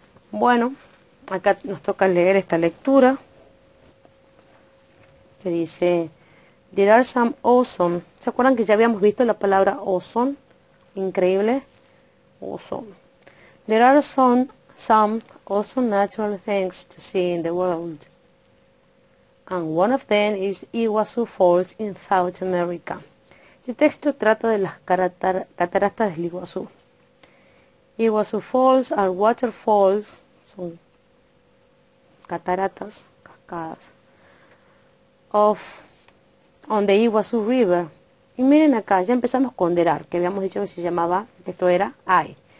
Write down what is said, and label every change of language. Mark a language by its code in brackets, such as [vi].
[es] Bueno, acá nos toca leer esta lectura. Que dice, [en] There are some awesome. [es] ¿Se acuerdan que ya habíamos visto la palabra awesome? Increíble. Awesome. [en] There are some awesome natural things to see in the world. And one of them is Iguazu Falls in South America. [es] Este texto trata de las cataratas del Iguazú. [en] Iguazu Falls are waterfalls. [es] Son cataratas, cascadas. [en] On the Iguazu River. [es] Y miren acá, ya empezamos con there are, que habíamos dicho que se llamaba, esto era hay.